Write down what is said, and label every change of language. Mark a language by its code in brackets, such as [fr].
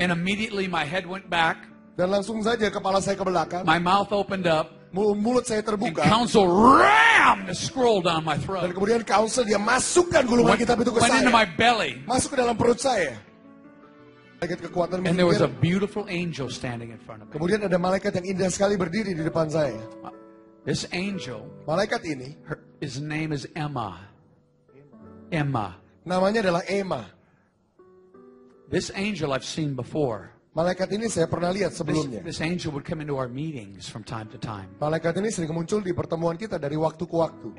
[en] And immediately my head went back. [id] Dan langsung saja kepala saya ke belakang. [en] My mouth opened up. [id] Mulut saya terbuka. [en] And counsel rammed the scroll down my throat. [id] Dan kemudian counsel dia masukkan gulungan kitab itu ke [en] went [id] saya. [en] Into my belly. [id] Masuk ke dalam perut saya. Malaikat kekuatan menyingkir. [en] And there was a beautiful angel standing in front of me. [id] Kemudian ada malaikat yang indah sekali berdiri di depan saya. [en] This angel. [id] Malaikat ini. [en] His name is Emma. Emma. [id] Namanya adalah Emma. [en] This angel I've seen before. [id] Malaikat ini saya pernah lihat sebelumnya. [en] This angel would come into our meetings from time to time. [id] Malaikat ini sering muncul di pertemuan kita dari waktu ke waktu.